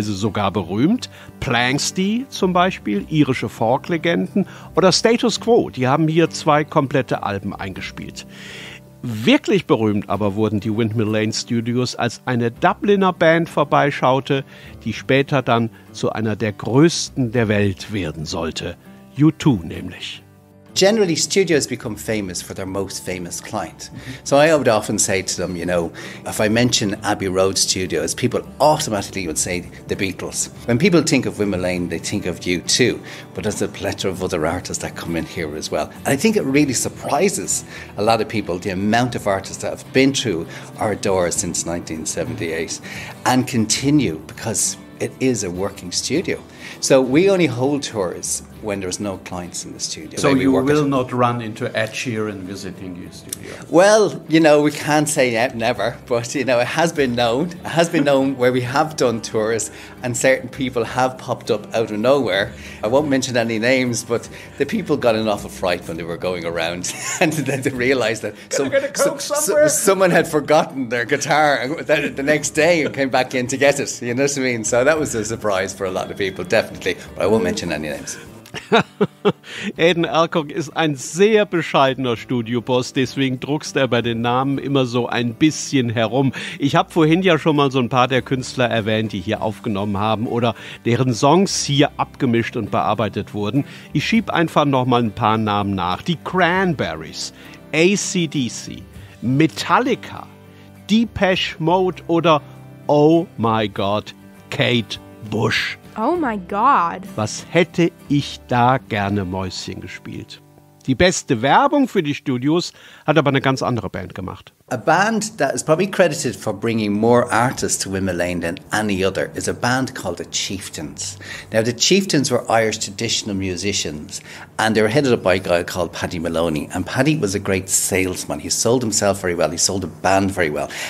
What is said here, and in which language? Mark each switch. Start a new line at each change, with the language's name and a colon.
German: sogar berühmt. Planxty zum Beispiel, irische Folk-Legenden oder Status Quo, die haben hier 2 komplette Alben eingespielt. Wirklich berühmt aber wurden die Windmill Lane Studios, als eine Dubliner Band vorbeischaute, die später dann zu einer der größten der Welt werden sollte. U2 nämlich.
English: Generally, studios become famous for their most famous client. So I would often say to them, you know, if I mention Abbey Road Studios, people automatically would say the Beatles. When people think of Windmill Lane, they think of U2. But there's a plethora of other artists that come in here as well. And I think it really surprises a lot of people, the amount of artists that have been through our doors since 1978 and continue, because it is a working studio. So we only hold tours when there's no clients in the studio. So you will not run into Ed Sheeran visiting your studio? Well, you know, we can't say never, but, you know, it has been known. It has been known where we have done tours and certain people have popped up out of nowhere. I won't mention any names, but the people got an awful fright when they were going around and then they realised that someone had forgotten their guitar the next day and came back in to get it. You know what I mean? So that was a surprise for a lot of people, definitely. But I won't mention any names.
German: Aidan Alcock ist ein sehr bescheidener Studioboss, deswegen druckst er bei den Namen immer so ein bisschen herum. Ich habe vorhin ja schon mal so ein paar der Künstler erwähnt, die hier aufgenommen haben oder deren Songs hier abgemischt und bearbeitet wurden. Ich schieb einfach noch mal ein paar Namen nach. Die Cranberries, AC/DC, Metallica, Depeche Mode oder
English: Oh my God,
German: Kate Bush.
English: Oh my God.
German: Was hätte ich da gerne Mäuschen gespielt? Die beste Werbung für die Studios hat aber eine ganz andere Band gemacht.
English: A band that is probably credited for bringing more artists to Windmill Lane than any other is a band called the Chieftains. Now, the Chieftains were Irish traditional musicians, and they were headed up by a guy called Paddy Maloney. And Paddy was a great salesman. He sold himself very well. He sold the band very well.